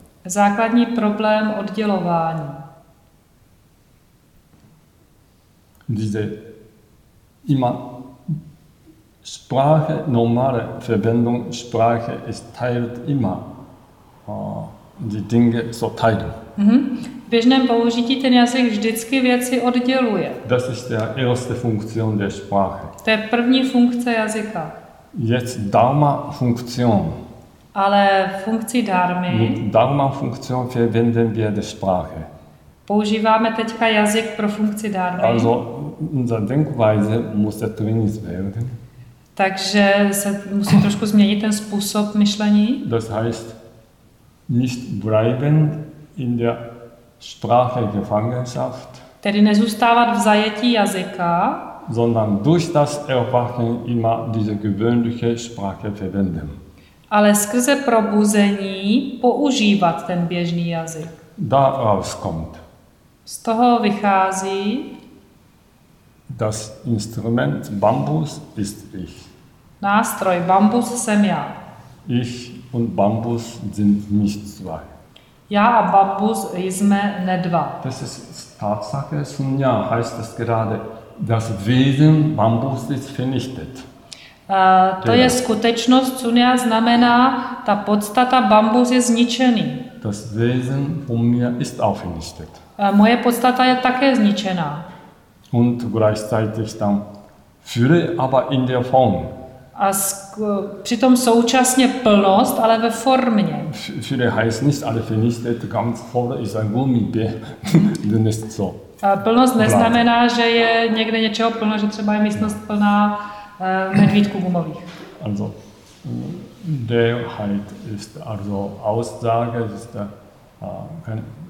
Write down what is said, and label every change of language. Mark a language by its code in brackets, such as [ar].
[cs] Základní problém oddělování. [de] Diese immer Sprache, normale Verwendung, Sprache, es teilt immer die Dinge so teilen. [cs] V běžném použití ten jazyk vždycky věci odděluje. [de] Das ist der erste Funktion der Sprache. [cs] To je první funkce jazyka. [de] Jetzt Dharma Funktion. [cs] Ale funkci dharmy. [de] Dharma Funktion verwenden wir die Sprache. [cs] Používáme teďka jazyk pro funkci dharmy. [de] Also unsere Denkweise muss trainiert werden. [cs] Takže se musí trošku změnit ten způsob myšlení. [de] Das heißt, nicht bleiben in der Sprache Gefangenschaft. [cs] Tedy nezůstávat v zajetí jazyka. [de] Sondern durch das Erwachen immer diese gewöhnliche Sprache verwenden. [cs] Ale skrze probuzení používat ten běžný jazyk. [de] Daraus kommt. [cs] Z toho vychází. [de] Das Instrument Bambus ist ich. [cs] Nástroj Bambus jsem já. [de] Ich und Bambus sind nicht zwei. [cs] Já a Bambus jsme ne dva. [de] Das ist Tatsache, Sunya heißt das gerade, das Wesen Bambus ist vernichtet. [cs] To je skutečnost, Sunya znamená, ta podstata Bambus je zničený. [de] Das Wesen von mir ist auch vernichtet. [cs] Moje podstata je také zničená. [de] Und gleichzeitig dann Fülle, aber in der Form. [cs] A přitom současně plnost, ale ve formě. [de] Fülle heißt nicht, [cs] ale [de] vernichtet, ganz voll ist ein Gummibär, denn ist so. [cs] Plnost neznamená, že je někde něčeho plno, že třeba je místnost plná medvídků gumových. [de] Also, Leerheit ist also Aussage, ist keine...